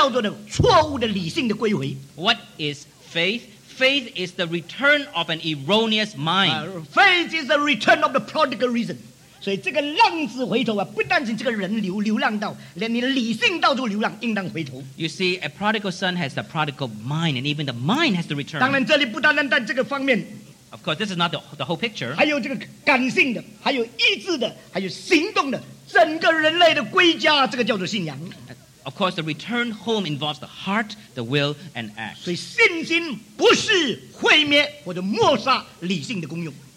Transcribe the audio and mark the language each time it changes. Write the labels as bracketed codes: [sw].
[en] What is faith? Faith is the return of an erroneous mind. Faith is the return of the prodigal reason. [zh] 所以这个浪子回头啊，不单是这个人流浪道，连你理性道都流浪，应当回头。 [en] You see, a prodigal son has the prodigal mind, and even the mind has to return. [zh] 当然，这里不单单在这个方面。 [en] Of course, this is not the whole picture. [zh] 还有这个感性的, 还有意志的, 还有行动的, 整个人类的归家, 这个叫做信仰。 [en] Of course, the return home involves the heart, the will, and act. [zh] 所以信心不是毁灭或者抹杀理性的功用。